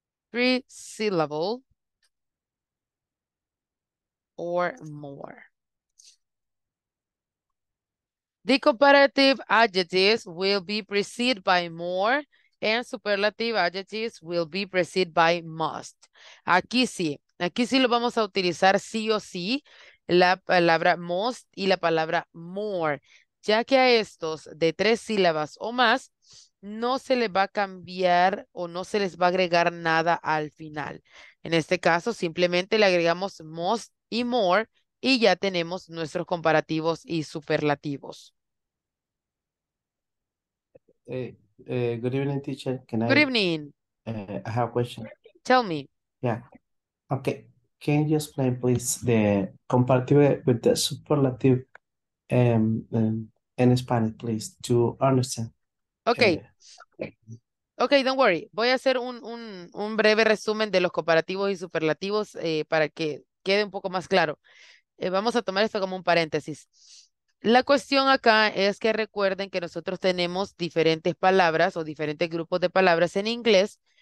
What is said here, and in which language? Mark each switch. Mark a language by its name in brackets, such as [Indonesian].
[English] Three syllable or more. The comparative adjectives will be preceded by more and superlative adjectives will be preceded by must. [Spanish] Aquí sí. Aquí sí lo vamos a utilizar sí o sí, la palabra most y la palabra more, ya que a estos de tres sílabas o más no se les va a cambiar o no se les va a agregar nada al final. En este caso simplemente le agregamos most y more y ya tenemos nuestros comparativos y superlativos. [English] Good evening, teacher. Can good evening. I have a question. Tell me. Yeah. Okay, can you explain, please, the comparative with the superlative in Spanish, please, to understand? Okay. Okay, don't worry. [Spanish] Voy a hacer un breve resumen de los comparativos y superlativos para que quede un poco más claro. Vamos a tomar esto como un paréntesis. La cuestión acá es que recuerden que nosotros tenemos diferentes palabras o diferentes grupos de palabras en inglés